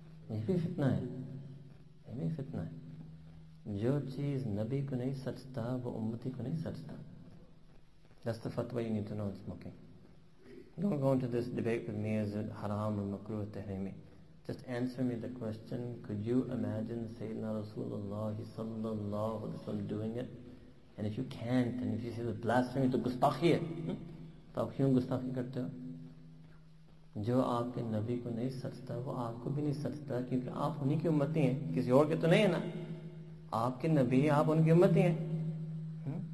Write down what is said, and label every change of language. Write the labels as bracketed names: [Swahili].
[English] Maybe فتنہ۔ Maybe فتنہ۔ [Urdu] جو چیز نبی کو نہیں سچتا، وہ امتی کو نہیں سچتا۔ [English] That's the fatwa you need to know in smoking. Don't go into this debate with me, is it haram or makruh tahrimi. Just answer me the question, could you imagine Sayyidina Rasulullah sallallahu alayhi wa sallam doing it? And if you can't, and if you say the blasphemy, [Urdu] to gustakhi hai. تو کیوں گستاخی کرتے ہو؟ جو آپ کے نبی کو نہیں سچتا وہ آپ کو بھی نہیں سچتا کیونکہ آپ انہی کی امتی ہیں کسی اور کے تو نہیں ہیں نا آپ کے نبی آپ ان کی امتی ہیں